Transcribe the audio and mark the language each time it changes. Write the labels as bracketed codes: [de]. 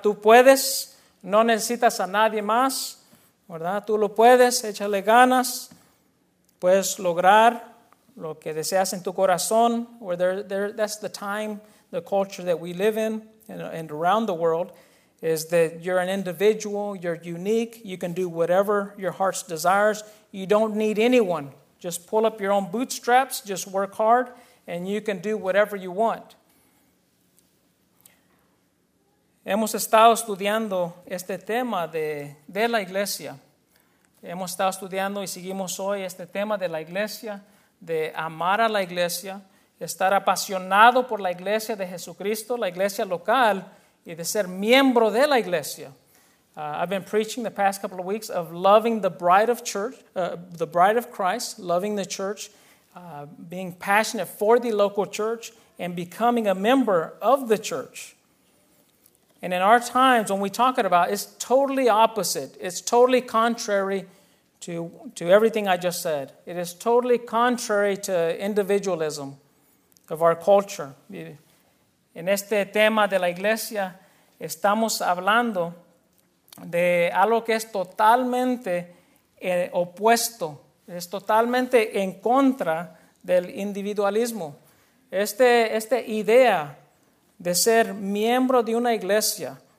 [es] Tú puedes, no necesitas a nadie más, ¿verdad? Tú lo puedes, échale ganas, puedes lograr lo que deseas en tu corazón. [en] That's the time, the culture that we live in and around the world, is that you're an individual, you're unique, you can do whatever your heart's desires, you don't need anyone. Just pull up your own bootstraps, just work hard, and you can do whatever you want. [es] Hemos estado estudiando este tema de la iglesia. Hemos estado estudiando y seguimos hoy este tema de la iglesia, de amar a la iglesia, estar apasionado por la iglesia de Jesucristo, la iglesia local, y de ser miembro de la iglesia. [en] I've been preaching the past couple of weeks of loving the bride of church, the bride of Christ, loving the church, being passionate for the local church, and becoming a member of the church. And in our times, when we talk about it, it's totally opposite. It's totally contrary to everything I just said. It is totally contrary to individualism of our culture. [es] En este tema de la iglesia, estamos hablando de algo que es totalmente opuesto, es totalmente en contra del individualismo. Esta idea de ser miembro de una iglesia,